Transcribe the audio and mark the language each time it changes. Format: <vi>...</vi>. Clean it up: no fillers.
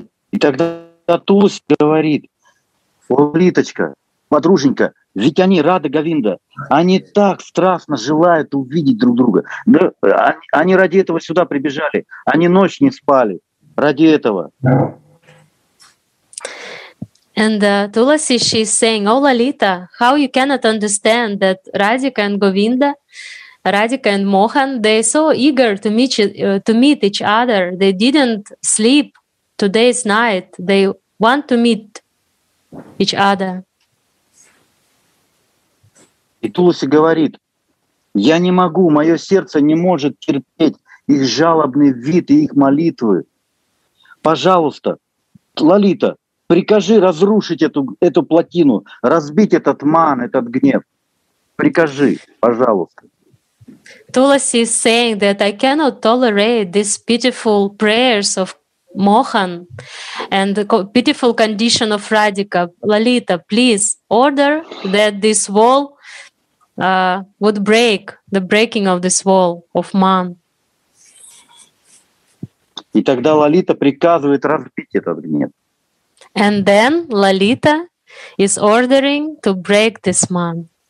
<ru>И тогда Туласи говорит: о, Литочка, подруженька, ведь они, Рада Говинда, они так страстно желают увидеть друг друга. Да, они ради этого сюда прибежали, они ночь не спали ради этого.</ru> <en>And Tulasi, she is saying, oh, Lalita, how you cannot understand that Radhika and Govinda, Radhika and Mohan, they so eager to meet each other, they didn't sleep today's night, they want to meet each other.</en> <ru>И Туласи говорит: я не могу, мое сердце не может терпеть их жалобный вид и их молитвы. Пожалуйста, Лалита, прикажи разрушить эту плотину, разбить этот ман, этот гнев. Прикажи, пожалуйста.</ru> <en>Tulasi is saying that I cannot tolerate these pitiful prayers of Mohan and the pitiful condition of Radhika. Lalita, please order that this wall would break, the breaking of this wall of man.</en> <ru>И тогда Лалита приказывает разбить этот гнев.</ru> <en>And then Lalita is ordering to break this man.</en>